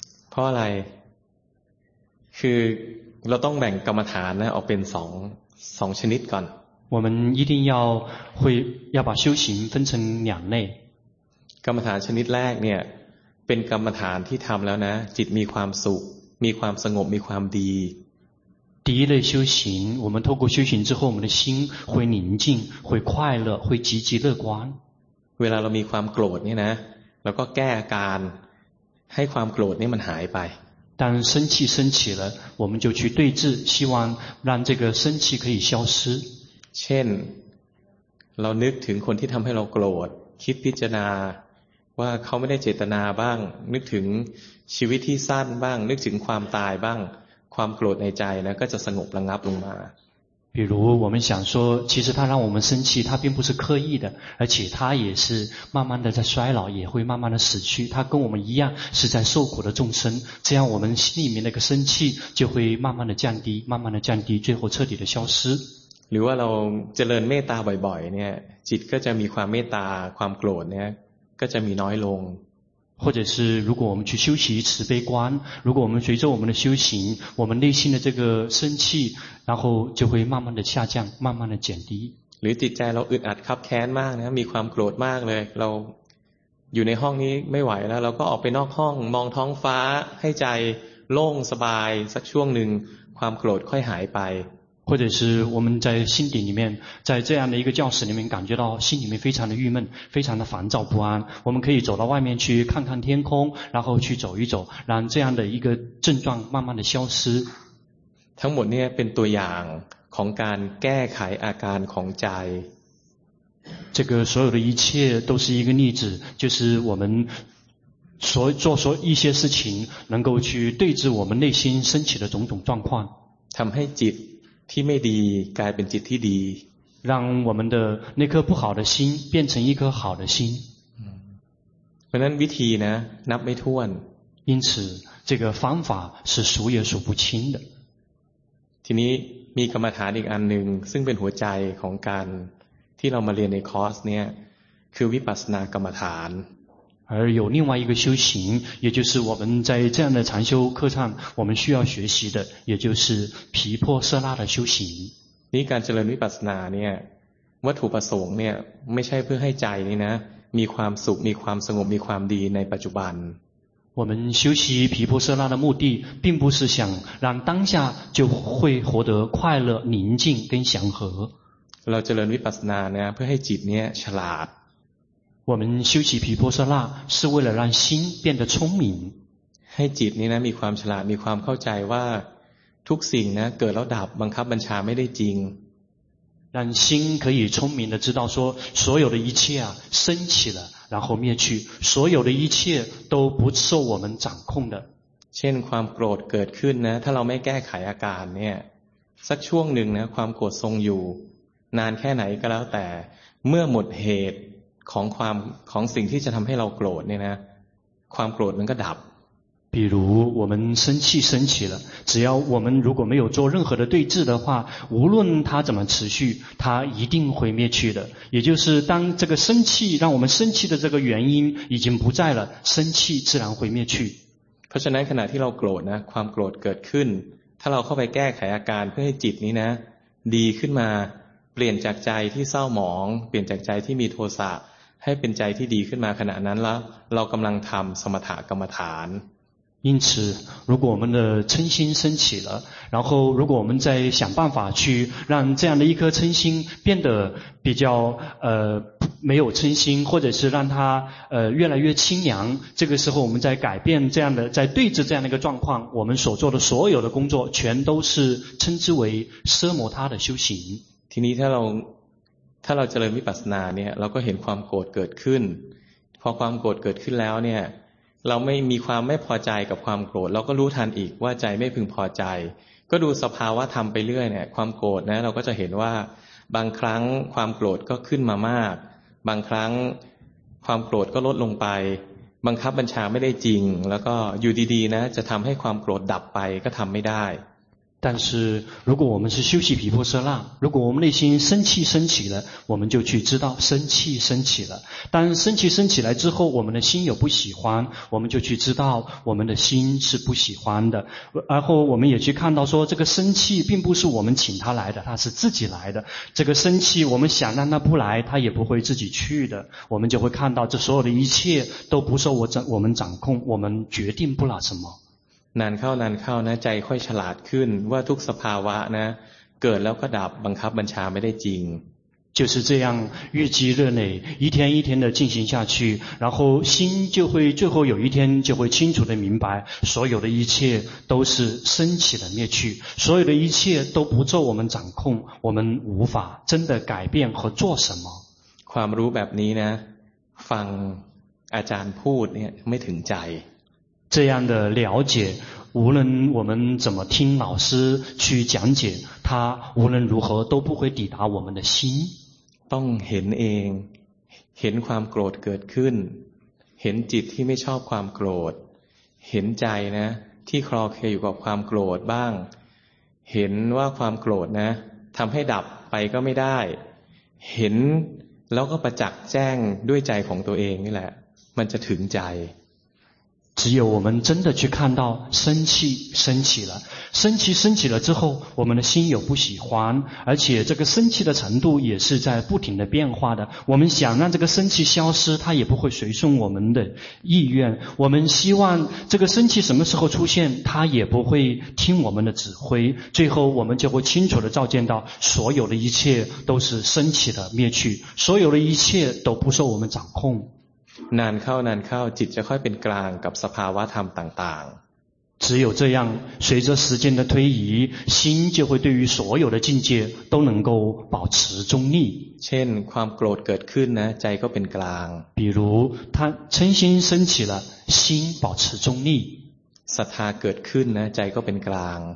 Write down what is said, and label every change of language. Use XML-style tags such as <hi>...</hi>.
<th>เพราะอะไรคือเราต้องแบ่งกรรมฐานนะออกเป็น2ชนิดก่อน</th> <zh>我们一定要把修行分成两类</zh> <th>กรรมฐานชนิดแรกเนี่ยเป็นกรรมฐานที่ทำแล้วนะจิตมีความสุขมีความสงบมีความดี</th> <zh>第一类修行我们透过修行之后我们的心会宁静会快乐会积极乐观</zh> <th>เวลาเรามีความโกรธเนี่ยนะเราก็แก้อาการให้ความโกรธนี่มันหายไป</th> <zh>当生气升起了我们就去对治希望让这个生气可以消失</zh> <th>เช่นเรานึกถึงคนที่ทำให้เราโกรธคิดพิจารณาว่าเขาไม่ได้เจตนาบ้างนึกถึงชีวิตที่สั้นบ้างนึกถึงความตายบ้างความโกรธในใจนะก็จะสงบระงับลงมา</th> <zh>比如我们想说其实他让我们生气他并不是刻意的而且他也是慢慢的在衰老也会慢慢的死去他跟我们一样是在受苦的众生这样我们心里面那个生气就会慢慢的降低慢慢的降低最后彻底的消失</zh> <th>หรือว่าเราเจริญเมตตาบ่อยๆเนี่ยจิตก็จะมีความเมตตาความโกรธเนี่ยก็จะมีน้อยลง</th> <zh>或者是如果我们去修习慈悲观如果我们随着我们的修行我们内心的这个生气然后就会慢慢的下降慢慢的减低</zh> <th>หรือจิตใจเราอึดอัดคับแค้นมากนะมีความโกรธมากเลยเราอยู่ในห้องนี้ไม่ไหวแล้วเราก็ออกไปนอกห้องมองท้องฟ้าให้ใจโล่งสบายสักช่วงหนึ่งความโกรธค่อยหายไป</th> <zh>或者是我们在心底里面在这样的一个教室里面感觉到心里面非常的郁闷非常的烦躁不安我们可以走到外面去看看天空然后去走一走让这样的一个症状慢慢的消失</zh> <th>ทั้งหมดเนี่ยเป็นตัวอย่างของการแก้ไขอาการของใจ</th> <zh>这个所有的一切都是一个例子就是我们所做所一些事情能够去对治我们内心升起的种种状况</zh> <th>ทำให้จิตที่ไม่ดีกลายเป็นจิตที่ดี</th> <zh>让我们的那颗不好的心变成一颗好的心</zh> <th>เพราะนั้นวิธีนะนับไม่ถ้วน</th> <zh>因此这个方法是数也数不清的</zh> <th>ทีนี้มีกรรมฐานอีกอันหนึ่งซึ่งเป็นหัวใจของการที่เรามาเรียนในคอร์สเนี่ยคือวิปัสสนากรรมฐาน</th> <zh>而有另外一个修行也就是我们在这样的禅修课上我们需要学习的也就是毗婆舍那的修行</zh> <th>นี่การเจริญวิปัสสนาเนี่ยวัตถุประสงค์เนี่ยไม่ใช่เพื่อให้ใจนี่นะมีความสุขมีความสงบมีความดีในปัจจุบัน</th> <zh>我们修习毗婆舍那的目的并不是想让当下就会获得快乐宁静跟祥和</zh> <th>เราเจริญวิปัสสนาเนี่ยเพื่อให้จิตเนี่ยฉลาด</th> <zh>我们修习毗婆舍那是为了让心变得聪明</zh> <th>ให้จิตนี่นะมีความฉลาดมีความเข้าใจว่าทุกสิ่งนะเกิดแล้วดับบังคับบัญชาไม่ได้จริง</th> <zh>让心可以聪明的知道说所有的一切啊升起了然后灭去所有的一切都不受我们掌控的</zh> <th>เช่นความโกรธเกิดขึ้นนะถ้าเราไม่แก้ไขอาการเนี่ยสักช่วงหนึ่งนะความโกรธทรงอยู่นานแค่ไหนก็แล้วแต่เมื่อหมดเหตุของความของสิ่งที่จะทำให้เราโกรธเนี่ยนะความโกรธมันก็ดับ</th> <zh>比如我们生气升起了只要我们如果没有做任何的对治的话无论它怎么持续它一定会灭去的也就是当这个生气让我们生气的这个原因已经不在了生气自然会灭去</zh> <th>เพราะฉะนั้นขณะที่เราโกรธนะความโกรธเกิดขึ้นถ้าเราเข้าไปแก้ไขอาการเพื่อให้จิตนี้นะดีขึ้นมาเปลี่ยนจากใจที่เศร้าหมองเปลี่ยนจากใจที่มีโทสะให้เป็นใจที่ดีขึ้นมาขณะนั้นแล้วเรากำลังทำสมถกรรมฐาน</th> <zh>因此如果我们的嗔心升起了然后如果我们再想办法去让这样的一颗嗔心变得比较没有嗔心或者是让它越来越清凉这个时候我们再改变这样的再对治这样的一个状况我们所做的所有的工作全都是称之为奢摩他的修行</zh> <th>ทีนี้ถ้าเรา ถ้าเราเจริญวิปัสสนาเนี่ยเราก็เห็นความโกรธเกิดขึ้นพอความโกรธเกิดขึ้นแล้วเนี่ยเราไม่มีความไม่พอใจกับความโกรธเราก็รู้ทันอีกว่าใจไม่พึงพอใจก็ดูสภาวะธรรมไปเรื่อยเนี่ยความโกรธนะเราก็จะเห็นว่าบางครั้งความโกรธก็ขึ้นมามากบางครั้งความโกรธก็ลดลงไปบังคับบัญชาไม่ได้จริงแล้วก็อยู่ดีๆนะจะทำให้ความโกรธดับไปก็ทำไม่ได้</th> <zh>但是如果我们是修习毗婆舍那，如果我们内心生气升起了，我们就去知道生气升起了。当生气升起来之后，我们的心有不喜欢，我们就去知道我们的心是不喜欢的。然后我们也去看到说，这个生气并不是我们请他来的，他是自己来的。这个生气我们想让他不来，他也不会自己去的。我们就会看到这所有的一切都不受我们掌控，我们决定不了什么。</zh> <th>นานเข้านานเข้านะใจค่อยฉลาดขึ้นว่าทุกสภาวะนะเกิดแล้วก็ดับบังคับบัญชาไม่ได้จริง</th> <zh>就是这样日积月累一天一天的进行下去然后心就会最后有一天就会清楚的明白所有的一切都是升起的灭去所有的一切都不受我们掌控我们无法真的改变和做什么</zh> <th>ความรู้แบบนี้นะฟังอาจารย์พูดเนี่ยไม่ถึงใจ</th> <zh>这样的了解无论我们怎么听老师去讲解他无论如何都不会抵达我们的心</zh> <th>ต้องเห็นเองเห็นความโกรธเกิดขึ้นเห็นจิตที่ไม่ชอบความโกรธเห็นใจนะที่คลอเคลียอยู่กับความโกรธบ้างเห็นว่าความโกรธนะทำให้ดับไปก็ไม่ได้เห็นแล้วก็ประจักษ์แจ้งด้วยใจของตัวเองนี่แหละมันจะถึงใจ</th> <zh>只有我们真的去看到生气升起了，生气升起了之后，我们的心有不喜欢，而且这个生气的程度也是在不停的变化的。我们想让这个生气消失，它也不会随顺我们的意愿。我们希望这个生气什么时候出现，它也不会听我们的指挥。最后，我们就会清楚的照见到，所有的一切都是升起的灭去，所有的一切都不受我们掌控。</zh> <th>นานเข้านานเข้าจิตจะค่อยเป็นกลางกับสภาวะธรรมต่าง</th> <zh>ๆ只有这样随着时间的推移心就会对于所有的境界都能够保持中立</zh> <th>เช่นความโกรธเกิดขึ้นนะใจก็เป็นกลาง</th> <zh>比如他嗔心升起了心保持中立</zh> <th>ศรัทธาเกิดขึ้นนะใจก็เป็นกลาง</th>